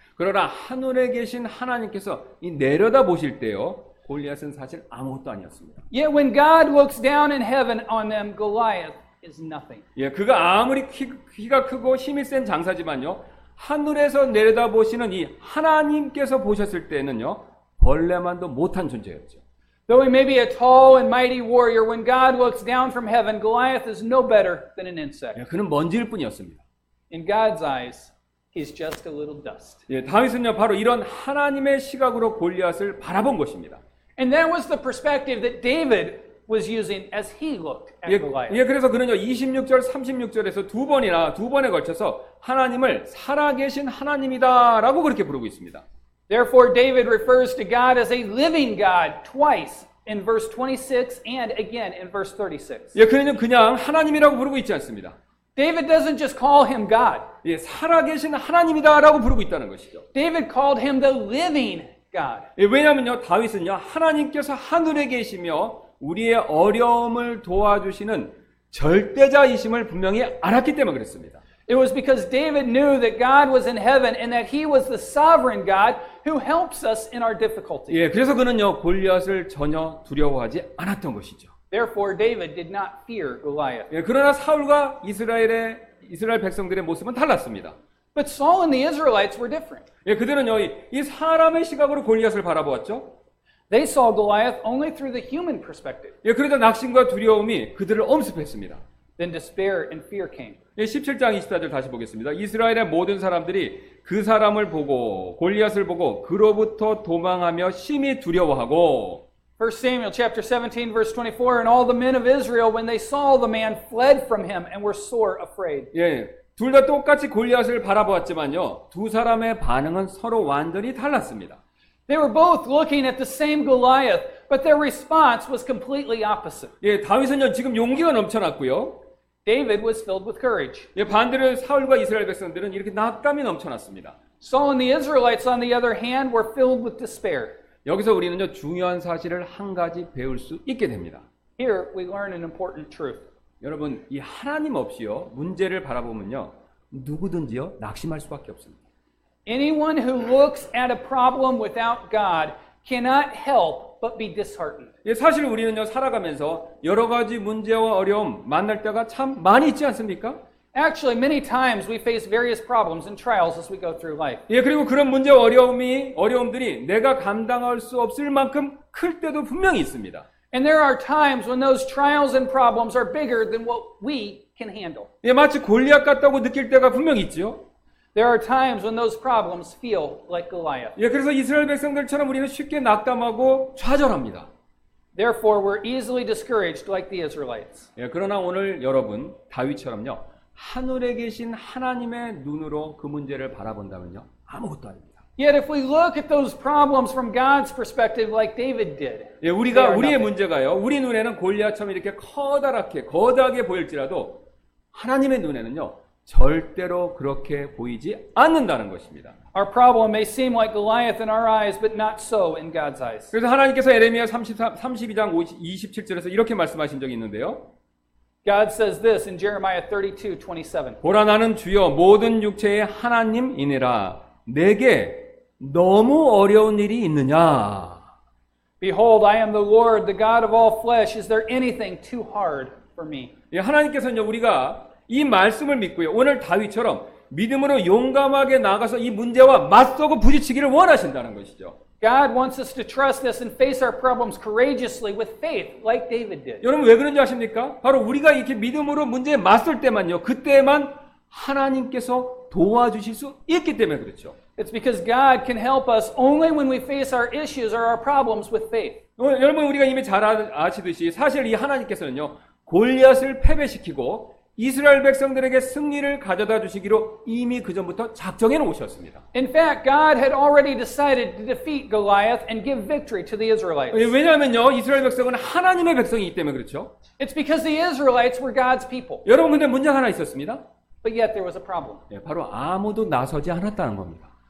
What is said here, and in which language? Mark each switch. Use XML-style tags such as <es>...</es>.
<ko>그러나 하늘에 계신 하나님께서 이 내려다 보실 때요, 골리앗은 사실 아무것도 아니었습니다.</ko> <en>Yet when God looks down in heaven on them, Goliath is nothing.</en> <ko>예, 그가 아무리 키가 크고 힘이 센 장사지만요. 하늘에서 내려다보시는 이 하나님께서 보셨을 때는요. 벌레만도 못한 존재였죠.</ko> <en>Though he may be a tall and mighty warrior, when God looks down from heaven, Goliath is no better than an insect.</en> <ko>예, 그는 먼지일 뿐이었습니다.</ko> <en>In God's eyes, he's just a little dust.</en> <ko>예, 다윗은요. 바로 이런 하나님의 시각으로 골리앗을 바라본 것입니다.</ko> <en>And that was the perspective that David was using as he looked at Goliath.</en> <ko>예, 그래서 그는요. 26절, 36절에서 두 번에 걸쳐서 하나님을 살아계신 하나님이다라고 그렇게 부르고 있습니다.</ko> <en>Therefore David refers to God as a living God twice in verse 26 and again in verse 36.</en> <ko>예, 그는 그냥 하나님이라고 부르고 있지 않습니다.</ko> <en>David doesn't just call him God.</en> <ko>예, 살아계신 하나님이다라고 부르고 있다는 것이죠.</ko> <en>David called him the living God.</en> <ko>예, 왜냐면요. 다윗은요. 하나님께서 하늘에 계시며 우리의 어려움을 도와주시는 절대자이심을 분명히 알았기 때문에 그랬습니다.</ko> <en>It was because David knew that God was in heaven and that he was the sovereign God who helps us in our difficulty.</en> <ko>예, 그래서 그는요. 골리앗을 전혀 두려워하지 않았던 것이죠.</ko> <en>Therefore David did not fear Goliath.</en> <ko>예, 그러나 사울과 이스라엘 백성들의 모습은 달랐습니다.</ko> <en>But Saul and the Israelites were different.</en> <ko>예, 그들은요. 이 사람의 시각으로 골리앗을 바라보았죠.</ko> <en>They saw Goliath only through the human perspective.</en> <ko>예, 그러자 낙심과 두려움이 그들을 엄습했습니다.</ko> <en>Then despair and fear came.</en> <ko>예, 17장 24절 다시 보겠습니다. 이스라엘의 모든 사람들이 그 사람을 보고 골리앗을 보고 그로부터 도망하며 심히 두려워하고.</ko> <en>1 Samuel chapter 17 verse 24 and all the men of Israel when they saw the man fled from him and were sore afraid.</en> <ko>예, 둘 다 똑같이 골리앗을 바라보았지만요. 두 사람의 반응은 서로 완전히 달랐습니다.</ko> <en>They were both looking at the same Goliath, but their response was completely opposite.</en> <ko>예, 다윗은 지금 용기가 넘쳐났고요.</ko> <en>David was filled with courage.</en> <ko>예, 반대로 사울과 이스라엘 백성들은 이렇게 낙담이 넘쳐났습니다.</ko> <en>Saul and the Israelites on the other hand were filled with despair.</en> <ko>여기서 우리는요, 중요한 사실을 한 가지 배울 수 있게 됩니다.</ko> <en>Here we learn an important truth.</en> <ko>여러분, 이 하나님 없이요, 문제를 바라보면요, 누구든지요, 낙심할 수밖에 없습니다.</ko> <en>Anyone who looks at a problem without God cannot help but be disheartened.</en> <ko>예, 사실 우리는요, 살아가면서 여러 가지 문제와 어려움 만날 때가 참 많이 있지 않습니까?</ko> <en>Actually, many times we face various problems and trials as we go through life.</en> <ko>예, 그리고 그런 문제와 어려움들이 내가 감당할 수 없을 만큼 클 때도 분명히 있습니다.</ko> <en>And there are times when those trials and problems are bigger than what we can handle.</en> <ko>예, 마치 골리앗 같다고 느낄 때가 분명히 있죠.</ko> <en>There are times when those problems feel like Goliath.</en> <ko>예, 그래서 이스라엘 백성들처럼 우리는 쉽게 낙담하고 좌절합니다.</ko> <en>Therefore, we're easily discouraged like the Israelites.</en> <ko>예, 그러나 오늘 여러분 다윗처럼요. 하늘에 계신 하나님의 눈으로 그 문제를 바라본다면요. 아무것도 아닙니다.</ko> <en>Yet if we look at those problems from God's perspective like David did.</en> <ko>예, 우리가 우리의 문제가요. 우리 눈에는 골리앗처럼 이렇게 커다랗게 거대하게 보일지라도 하나님의 눈에는요. 절대로 그렇게 보이지 않는다는 것입니다.</ko> <en>Our problem may seem like Goliath in our eyes, but not so in God's eyes.</en> <ko>그래서 하나님께서 예레미야 32장 27절에서 이렇게 말씀하신 적이 있는데요.</ko> <en>God says this in Jeremiah 32:27.</en> <ko>보라 나는 주여 모든 육체의 하나님이니라. 내게 너무 어려운 일이 있느냐?</ko> <en>Behold, I am the Lord, the God of all flesh. Is there anything too hard for me?</en> <ko>예, 하나님께서는요, 우리가 이 말씀을 믿고요. 오늘 다윗처럼 믿음으로 용감하게 나가서 이 문제와 맞서고 부딪히기를 원하신다는 것이죠.</ko> <en>God wants us to trust this and face our problems courageously with faith like David did.</en> <ko>여러분 왜 그런지 아십니까? 바로 우리가 이렇게 믿음으로 문제에 맞설 때만요. 그때만 하나님께서 도와주실 수 있기 때문에 그렇죠.</ko> <en>It's because God can help us only when we face our issues or our problems with faith.</en> <ko>여러분 우리가 이미 잘 아시듯이 사실 이 하나님께서는요. 골리앗을 패배시키고 이스라엘 백성들에게 승리를 가져다 주시기로 이미 그전부터 작정해 놓으셨습니다.</ko> <en>In fact, God had already decided to defeat Goliath and give victory to the Israelites.</en> <ko>왜냐하면요, 이스라엘 백성은 하나님의 백성이기 때문에 그렇죠.</ko> <en>It's because the Israelites were God's people.</en> <ko>여러분 근데 문제가 하나 있었습니다.</ko> <en>But yet there was a problem.</en> <ko>예, 바로 아무도 나서지 않았다는 겁니다.</ko>